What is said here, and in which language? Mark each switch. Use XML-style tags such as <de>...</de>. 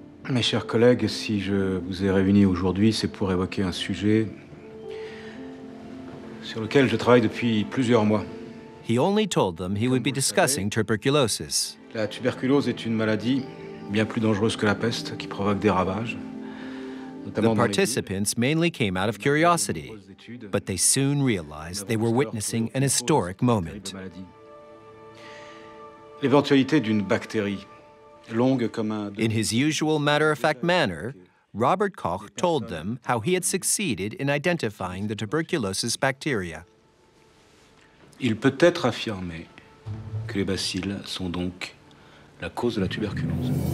<fr>Mes chers collègues, si je vous ai réunis aujourd'hui, c'est pour évoquer un sujet sur lequel je travaille depuis plusieurs mois.</fr> <en>He only told them he would be discussing tuberculosis.</en> <fr>La tuberculose est une maladie bien plus dangereuse que la peste qui provoque des ravages.</fr> <en>The participants mainly came out of curiosity, but they soon realized they were witnessing an historic moment.</en> <fr>L'éventualité d'une bactérie longue comme un.</fr> <en>In his usual matter-of-fact manner, Robert Koch told them how he had succeeded in identifying the tuberculosis bacteria.</en> <fr>Il peut être affirmé que les bacilles sont donc la cause de la tuberculose.</fr>